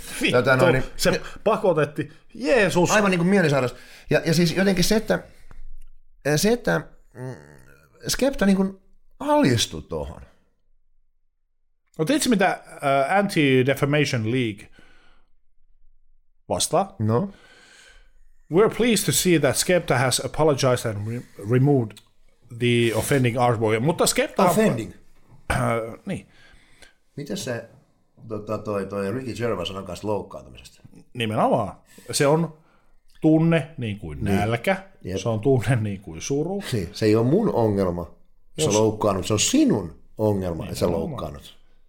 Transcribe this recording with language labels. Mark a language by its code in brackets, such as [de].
[fi] Vittu, noin, niin, se pakotetti. Jeesus. Aivan niin kuin mielisairas. Ja siis jotenkin se, että Skepta niin kuin alistui tuohon. No tiedätkö mitä Anti-Defamation League vastaa? No. [en] We're pleased to see that Skepta has apologized and removed the offending artwork. [fi] Mutta Skepta... [en] Offending? [fi] Niin. Mitäs se toi Ricky Gervais sanoo kanssa loukkaantumisesta? Nimenomaan. Se on tunne niin kuin nälkä. Niin. Se on tunne niin kuin suru. Niin. Se ei ole mun ongelma, jos se loukkaannut. Se on sinun ongelma, niin, että se loukkaannut.